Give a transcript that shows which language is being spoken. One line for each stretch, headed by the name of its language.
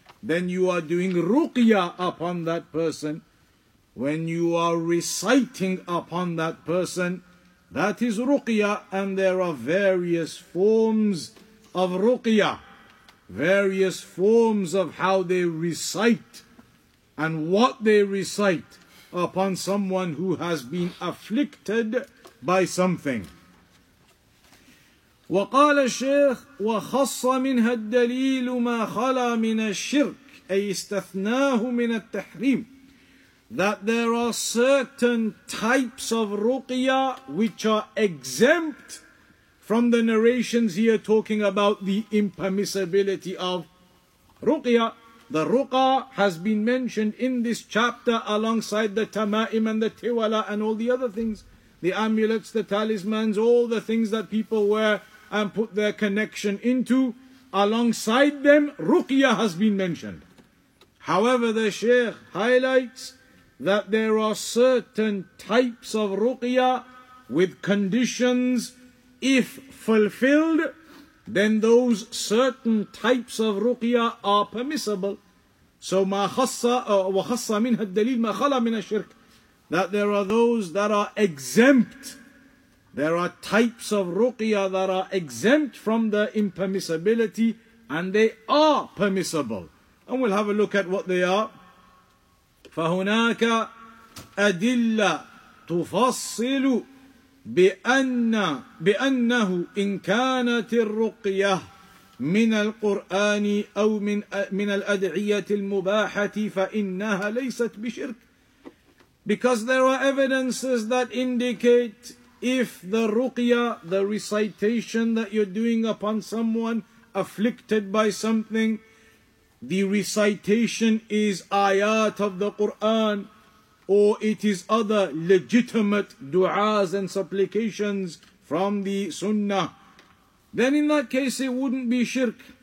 English: then you are doing ruqya upon that person. When you are reciting upon that person, that is ruqya, and there are various forms of ruqya, various forms of how they recite and what they recite upon someone who has been afflicted by something.
Arabic: وقال الشيخ وخص منها الدليل ما خلا من الشرك أي استثناه من التحريم.
English: That there are certain types of ruqya which are exempt from the narrations here talking about the impermissibility of ruqya. The ruqa has been mentioned in this chapter alongside the tama'im and the tiwala and all the other things, the amulets, the talismans, all the things that people wear and put their connection into. Alongside them, ruqya has been mentioned. However, the Shaykh highlights that there are certain types of ruqya with conditions. If fulfilled, then those certain types of ruqya are permissible.
Arabic: So ما خص منها الدليل ما خلا من الشرك.
English: That there are those that are exempt. There are types of ruqya that are exempt from the impermissibility, and they are permissible. And we'll have a look at what they are.
Arabic: فهناك أدلة تفصل بأنه إن كانت الرقية من القرآن أو من الأدعية المباحة فإنها ليست بشرك.
English: Because there are evidences that indicate if the ruqya, the recitation that you're doing upon someone afflicted by something, the recitation is ayat of the Qur'an, or it is other legitimate du'as and supplications from the sunnah, then in that case it wouldn't be shirk.